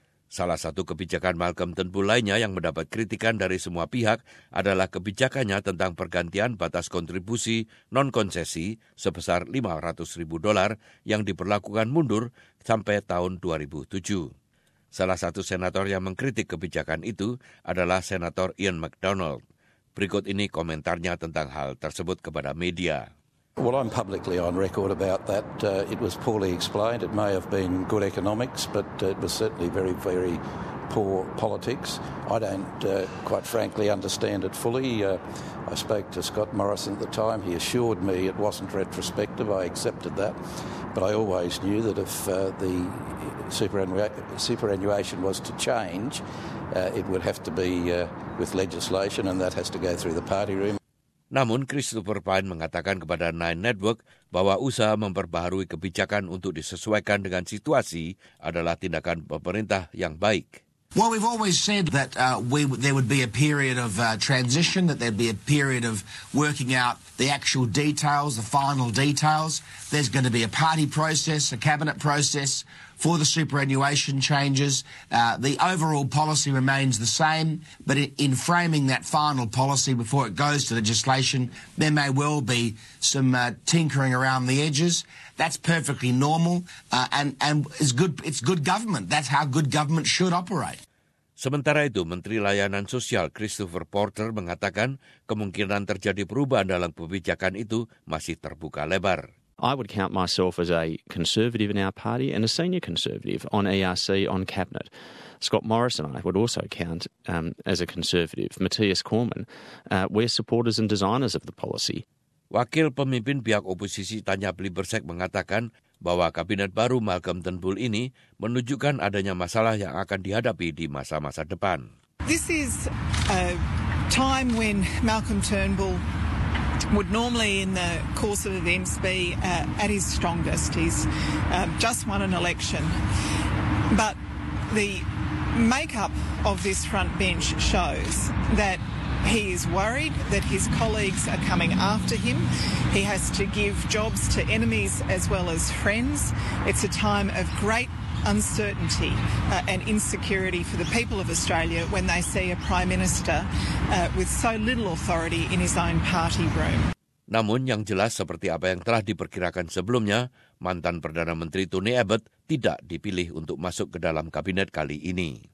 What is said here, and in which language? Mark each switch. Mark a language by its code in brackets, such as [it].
[id] Salah satu kebijakan Malcolm Turnbull lainnya yang mendapat kritikan dari semua pihak adalah kebijakannya tentang pergantian batas kontribusi non-konsesi sebesar $500,000 yang diberlakukan mundur sampai tahun 2007. Salah satu senator yang mengkritik kebijakan itu adalah Senator Ian MacDonald. Berikut ini komentarnya tentang hal tersebut kepada media. [en] Well, I'm publicly on record about that. It was poorly explained. It may have been good economics, but it was certainly very, very poor politics. I don't quite frankly understand it fully. I spoke to Scott Morrison at the time. He assured me it wasn't retrospective. I accepted that. But I always knew that if the superannuation was to change, it would have to be with legislation, and that has to go through the party room. [id] Namun Christopher Pyne mengatakan kepada Nine Network bahwa usaha memperbaharui kebijakan untuk disesuaikan dengan situasi adalah tindakan pemerintah yang baik. [en] Well, we've always said that there would be a period of transition, that there'd be a period of working out the actual details, the final details. There's going to be a party process, a cabinet process for the superannuation changes. The overall policy remains the same, but in framing that final policy before it goes to legislation, there may well be some tinkering around the edges. That's perfectly normal, and it's good government. That's how good government should operate. [id] Sementara itu, Menteri Layanan Sosial Christopher Porter mengatakan kemungkinan terjadi perubahan dalam kebijakan itu masih terbuka lebar. [en] I would count myself as a conservative in our party and a senior conservative on ERC, on cabinet. Scott Morrison, I would also count as a conservative. Matthias Cormann, we're supporters and designers of the policy. [id] Wakil pemimpin pihak oposisi Tanya Plibersek mengatakan bahwa kabinet baru Malcolm Turnbull ini menunjukkan adanya masalah yang akan dihadapi di masa-masa depan. [en] This is a time when Malcolm Turnbull would normally in the course of events be at his strongest. He's just won an election. But the makeup of this front bench shows that he is worried that his colleagues are coming after him. He has to give jobs to enemies as well as friends. It's a time of great uncertainty and insecurity for the people of Australia when they see a prime minister with so little authority in his own party room. [id] Namun yang jelas seperti apa yang telah diperkirakan sebelumnya, mantan Perdana Menteri Tony Abbott tidak dipilih untuk masuk ke dalam kabinet kali ini.